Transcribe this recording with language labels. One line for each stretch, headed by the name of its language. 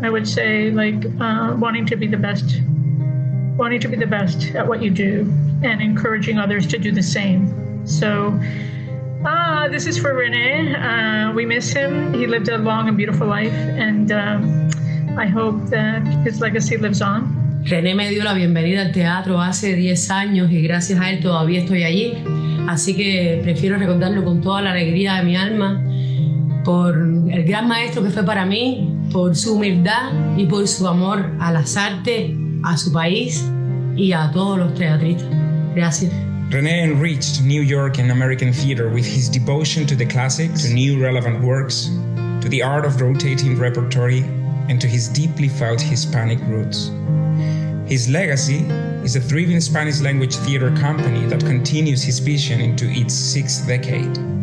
English: I would say, like, wanting to be the best at what you do and encouraging others to do the same. So, this is for René. We miss him. He lived a long and beautiful life, and I hope that his legacy lives on.
Spanish: René me dio la bienvenida al teatro hace 10 años y gracias a él todavía estoy allí. Así que prefiero recordarlo con toda la alegría de mi alma por el gran maestro que fue para mí, por su humildad y por su amor a las artes, a su país y a todos los teatristas. Gracias.
English: René enriched New York and American theater with his devotion to the classics, to new relevant works, to the art of rotating repertory, and to his deeply felt Hispanic roots. His legacy is a thriving Spanish language theater company that continues his vision into its sixth decade.